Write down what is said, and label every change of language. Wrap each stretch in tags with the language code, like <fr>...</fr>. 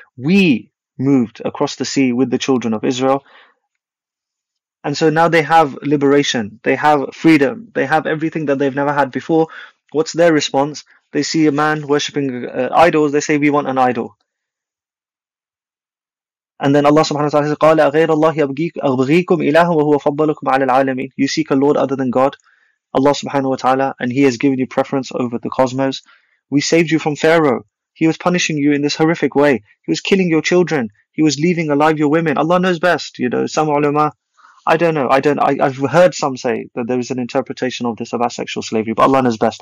<en>We moved across the sea with the children of Israel. And so now they have liberation, they have freedom, they have everything that they've never had before. What's their response? They see a man worshipping idols, they say, we want an idol. And then Allah subhanahu wa ta'ala says,</en> <ar>قَالَ أَغَيْرَ اللَّهِ أَبْغِيكُمْ إِلَهًا وَهُوَ فَضَّلُكُمْ عَلَى الْعَالَمِينَ.</ar> <en>You seek a Lord other than God, Allah subhanahu wa ta'ala, and He has given you preference over the cosmos. We saved you from Pharaoh. He was punishing you in this horrific way. He was killing your children. He was leaving alive your women. Allah knows best, you know, some ulama. I don't know. I've heard some say that there is an interpretation of this about sexual slavery, but Allah knows best.</en>